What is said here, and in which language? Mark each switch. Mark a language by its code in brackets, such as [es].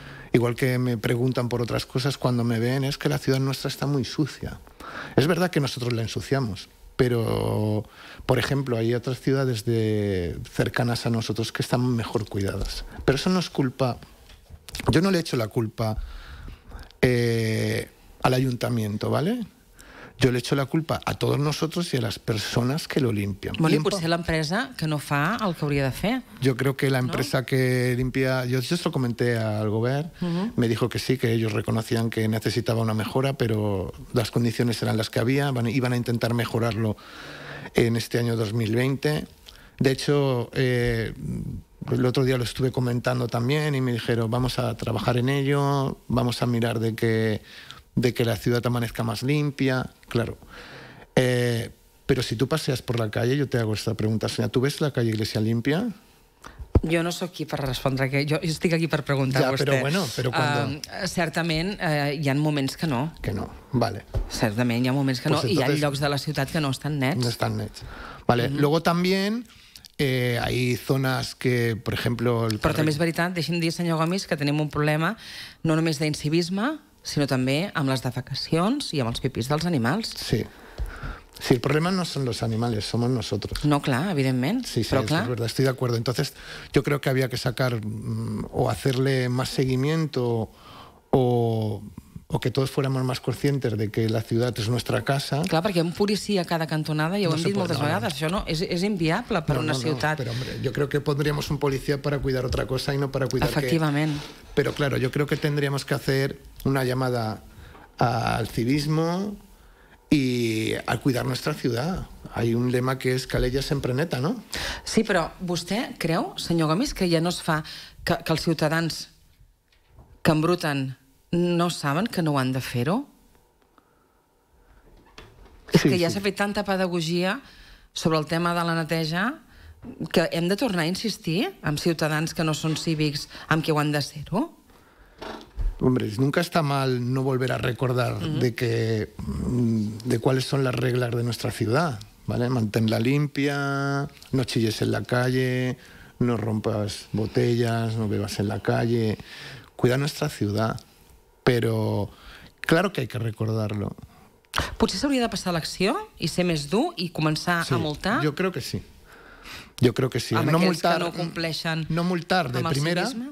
[es] Igual que me preguntan por otras cosas cuando me ven, es que la ciudad nuestra está muy sucia. Es verdad que nosotros la ensuciamos, pero por ejemplo hay otras ciudades de cercanas a nosotros que están mejor cuidadas, pero eso no es culpa, yo no le echo la culpa al ayuntamiento, ¿vale? [ca] Jo li [es] echo la culpa [ca] a tots nosaltres i a les persones que lo limpien. Bueno, i potser l'empresa que no fa el que hauria de fer. Jo crec que l'empresa que limpia... [es] Jo se lo comenté al govern, me dijo que sí, que ellos reconocían que necesitaba una mejora, pero las condiciones eran las que había, iban a intentar mejorarlo en este año 2020. De hecho, el otro día lo estuve comentando también y me dijeron, vamos a trabajar en ello, vamos a mirar de qué... de que la ciudad amanezca más limpia, claro. Pero si tú paseas por la calle, yo te hago esta pregunta, señora, ¿tú ves la calle Iglesia limpia? [ca] Jo no sóc aquí per respondre, que jo estic aquí per preguntar-ho a vostè. Ja, però bueno, però quan... Certament hi ha moments que no. [es] Que no, vale. [ca] Certament hi ha moments que no, i hi ha llocs de la ciutat que no estan nets. No estan nets. [es] Vale, luego también... hay zonas que, por ejemplo... [ca] Però també és veritat, deixi'm dir, senyor Gomis, que tenim un problema no només d'incivisme, sinó també amb les defecacions i amb els pipis dels animals. Sí. Sí, el problema no són els animals, som nosaltres. No, clar, evidentment. Sí, sí, és veritat, estic d'acord. [es] Entonces, yo creo que había que sacar o hacerle más seguimiento o que todos fuéramos más conscientes de que la ciudad es nuestra casa. [ca] Clar, perquè un policia a cada cantonada, ja ho hem dit moltes vegades, això no, és inviable per una ciutat. [es] No, però, hombre, yo creo que pondríamos un policía para cuidar otra cosa y no para cuidar que... [ca] Efectivament. [es] Pero claro, yo creo que tendríamos que hacer una llamada al civismo y a cuidar nuestra ciudad. Hay un lema que es [ca] Calella sempre neta, [es] ¿no? [ca] Sí, però vostè creu, senyor Gomis, que ja no es fa que els ciutadans que embruten no saben que no han de fer-ho? És que ja s'ha fet tanta pedagogia sobre el tema de la neteja que hem de tornar a insistir amb ciutadans que no són cívics amb què ho han de ser-ho? [es] Hombre, nunca está mal no volver a recordar de cuáles son las reglas de nuestra ciudad, ¿vale? Manténla limpia, no chilles en la calle, no rompas botellas, no bebas en la calle. Cuida nuestra ciudad, pero claro que hay que recordarlo. [ca] Potser s'hauria de passar a l'acció i ser més dur i començar a multar? [es] Sí, yo creo que sí. Yo creo que sí. [ca] Amb aquells que no compleixen amb el civisme? No multar de primera...